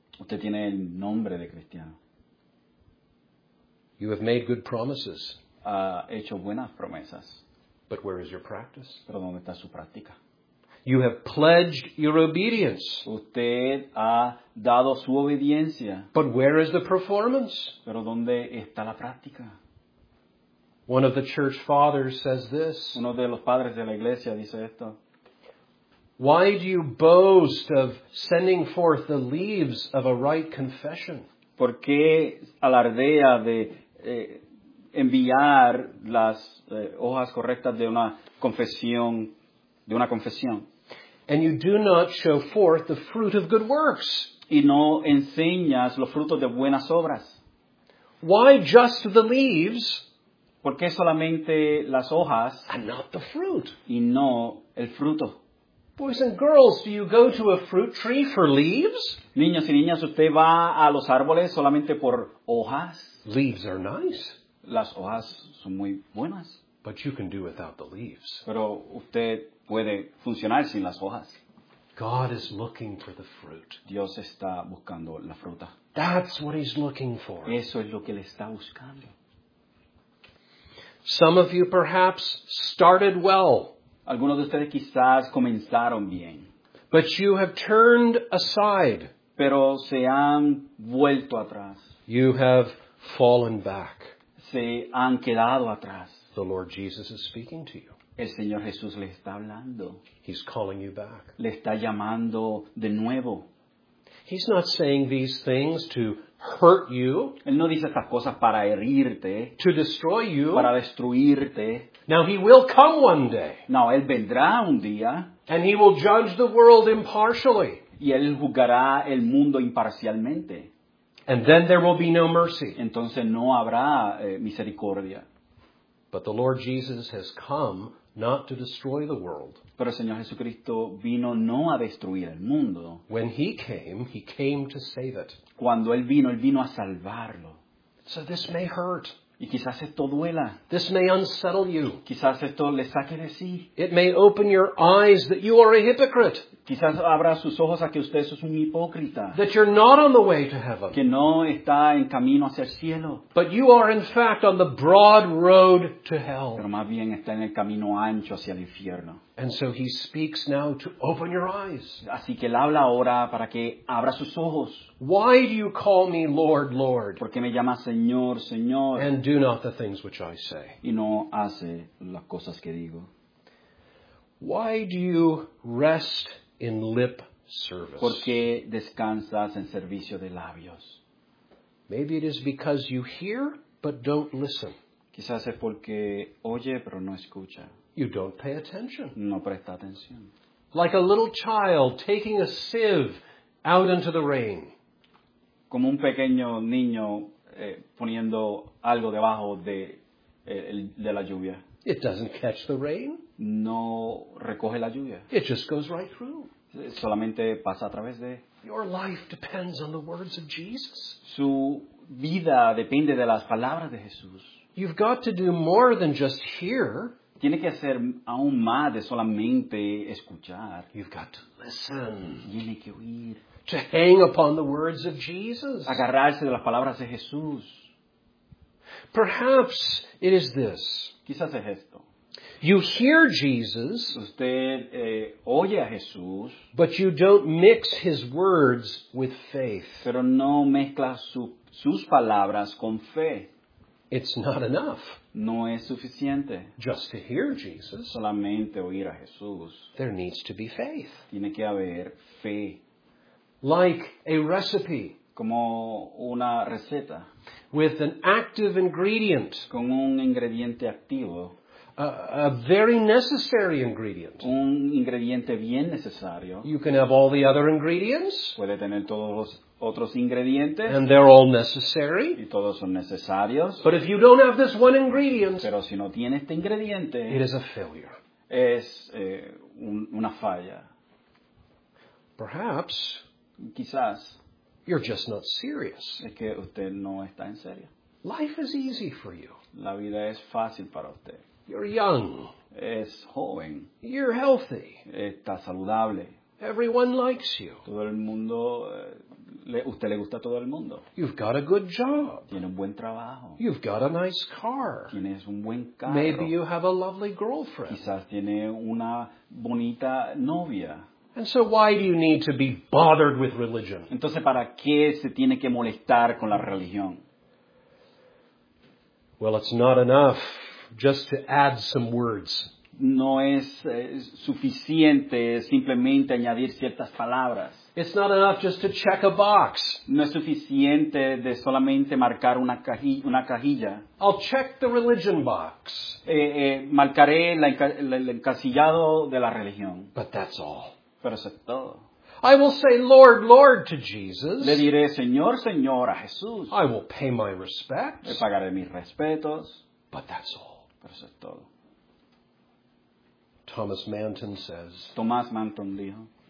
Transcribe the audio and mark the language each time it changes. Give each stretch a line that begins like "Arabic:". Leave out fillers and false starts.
Spanish: Usted tiene el nombre de cristiano.
English: You have made good promises.
Spanish: Ha hecho buenas promesas.
English: But where is your practice?
Spanish: ¿Pero dónde está su práctica?
English: You have pledged your obedience.
Spanish: Usted ha dado su obediencia.
English: But where is the performance?
Spanish: ¿Pero dónde está la práctica?
English: One of the church fathers says this.
Spanish: Uno de los padres de la iglesia dice esto.
English: Why do you boast of sending forth the leaves of a right confession?
Spanish: ¿Por qué alardea de enviar las hojas correctas de una confesión?
English: And you do not show forth the fruit of good works.
Spanish: Y no enseñas los frutos de buenas obras.
English: Why just the leaves?
Spanish: ¿Por qué solamente las hojas?
English: And not the fruit.
Spanish: Y no el fruto.
English: Boys and girls, do you go to a fruit tree for leaves?
Spanish: Niños y niñas, ¿usted va a los árboles solamente por hojas?
English: Leaves are nice.
Spanish: Las hojas son muy buenas.
English: But you can do without the leaves.
Spanish: Pero usted puede funcionar sin las hojas.
English: God is looking for the fruit.
Spanish: Dios está buscando la fruta.
English: That's what he's looking for.
Spanish: Eso es lo que él está buscando.
English: Some of you perhaps started well.
Spanish: Algunos de ustedes quizás comenzaron bien.
English: But you have turned aside.
Spanish: Pero se han vuelto atrás.
English: You have fallen back.
Spanish: Se han quedado atrás.
English: The Lord Jesus is speaking to you.
Spanish: El Señor Jesús le está hablando.
English: He's calling you back.
Spanish: Le está llamando de nuevo.
English: He's not saying these things to hurt you.
Spanish: Él no dice estas cosas para herirte.
English: To destroy you.
Spanish: Para destruirte.
English: Now he will come one day.
Spanish: No, él vendrá un día.
English: And he will judge the world impartially.
Spanish: Y él juzgará el mundo imparcialmente.
English: And then there will be no mercy.
Spanish: Entonces no habrá misericordia.
English: But the Lord Jesus has come not to destroy the world.
Spanish: Pero el Señor Jesucristo vino no a destruir el mundo.
English: When he came to save it.
Spanish: Cuando él vino a salvarlo.
English: So this may hurt.
Spanish: Y quizás esto duela.
English: This may unsettle you.
Spanish: Quizás esto le saque de sí.
English: It may open your eyes that you are a hypocrite.
Spanish: Quizás abra sus ojos a que usted es un hipócrita.
English: That you're not on the way to heaven.
Spanish: Que no está en camino hacia el cielo.
English: But you are in fact on the broad road to hell.
Spanish: Pero más bien está en el camino ancho hacia el infierno.
English: And so he speaks now to open your eyes.
Spanish: Así que él habla ahora para que abra sus ojos.
English: Why do you call me Lord, Lord?
Spanish: ¿Por qué me llamas Señor, Señor?
English: And do not the things which I say.
Spanish: Y no hace las cosas que digo.
English: Why do you rest in lip service?
Spanish: ¿Por qué descansas en servicio de labios?
English: Maybe it is because you hear but don't listen.
Spanish: Quizás es porque oye pero no escucha.
English: You don't pay attention.
Spanish: No presta atención.
English: Like a little child taking a sieve out into the rain.
Spanish: Como un pequeño niño poniendo algo debajo de la lluvia.
English: It doesn't catch the rain.
Spanish: No recoge la lluvia.
English: It just goes right through.
Spanish: Solamente pasa a través de.
English: Your life depends on the words of Jesus.
Spanish: Su vida depende de las palabras de Jesús.
English: You've got to do more than just hear.
Spanish: Tiene que hacer aún más de solamente escuchar.
English: You've got to listen.
Spanish: Tiene que oír.
English: To hang upon the words of Jesus.
Spanish: Agarrarse de las palabras de Jesús.
English: Perhaps it is this.
Spanish: Quizás es esto.
English: You hear Jesus,
Spanish: usted, oye a Jesús,
English: but you don't mix his words with faith.
Spanish: Pero no mezcla sus palabras con fe.
English: It's not enough.
Spanish: No es suficiente.
English: Just to hear Jesus.
Spanish: Solamente oír a Jesús.
English: There needs to be faith.
Spanish: Tiene que haber fe.
English: Like a recipe.
Spanish: Como una receta.
English: With an active ingredient.
Spanish: Con un ingrediente activo.
English: A very necessary ingredient.
Spanish: Un ingrediente bien necesario.
English: You can have all the other ingredients.
Spanish: Puede tener todos los otros ingredientes.
English: And they're all necessary.
Spanish: Y todos son necesarios.
English: But if you don't have this one ingredient,
Spanish: pero si no tiene este ingrediente,
English: it is a failure.
Spanish: Es una falla.
English: Perhaps.
Spanish: Quizás.
English: You're just not serious.
Spanish: Es que usted no está en serio.
English: Life is easy for you.
Spanish: La vida es fácil para usted.
English: You're young.
Spanish: Es joven.
English: You're healthy.
Spanish: Está saludable.
English: Everyone likes you.
Spanish: Todo el mundo, usted le gusta a todo el mundo.
English: You've got a good job.
Spanish: Tiene un buen trabajo.
English: You've got a nice car.
Spanish: Tienes un buen carro.
English: Maybe you have a lovely girlfriend.
Spanish: Quizás tiene una bonita novia.
English: And so why do you need to be bothered with religion?
Spanish: Entonces, ¿para qué se tiene que molestar con la religión?
English: Well, it's not enough. Just to add some words.
Spanish: No es suficiente simplemente añadir ciertas palabras.
English: It's not enough just to check a box.
Spanish: No es suficiente de solamente marcar una cajilla.
English: I'll check the religion box.
Spanish: Marcaré el encasillado de la religión.
English: But that's all.
Spanish: Pero eso es todo.
English: I will say, Lord, Lord, to Jesus.
Spanish: Le diré, Señor, Señor, a Jesús.
English: I will pay my respects.
Spanish: Le pagaré mis respetos.
English: But that's all.
Spanish: Pero eso es todo.
English: Thomas Manton says,
Spanish: Tomás Manton dijo,